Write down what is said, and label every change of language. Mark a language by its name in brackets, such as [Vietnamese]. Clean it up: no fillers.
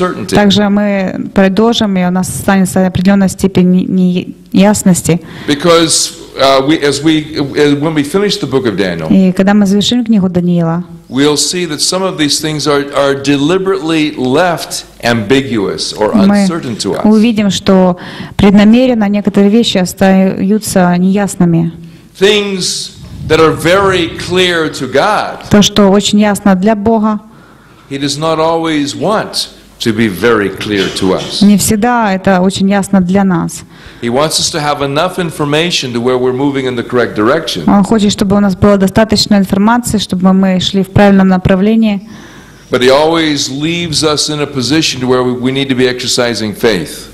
[Russian] Также мы продолжим, и у нас останется определенная степень неясности. [English] Because when we finish the book of Daniel, [Russian] и когда мы завершим книгу Даниила, [English] we'll see that some of these things are deliberately left ambiguous or uncertain to us. [Russian] Мы увидим, что преднамеренно некоторые вещи остаются неясными. [English] Things that are very clear to God. [Russian] То, что очень ясно для Бога. [English] He does not always want to be very clear to us. [Russian] Не всегда это очень ясно для нас. [English] He wants us to have enough information to where we're moving in the correct direction. [Russian] Он хочет, чтобы у нас было достаточно информации, чтобы мы шли в правильном направлении. [English] But he always leaves us in a position where we need to be exercising faith.